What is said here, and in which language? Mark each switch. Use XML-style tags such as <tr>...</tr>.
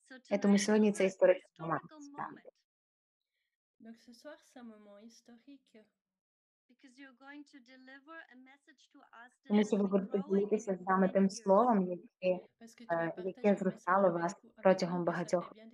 <uk>І тому сьогодні це історичний момент.</uk> <fr>Donc ce soir c'est un moment historique</fr> <en>because you're going to deliver a message to us.</en> <uk>Тому що ви будете ділитися з нами тим словом, яке зростало вас протягом багатьох.</uk>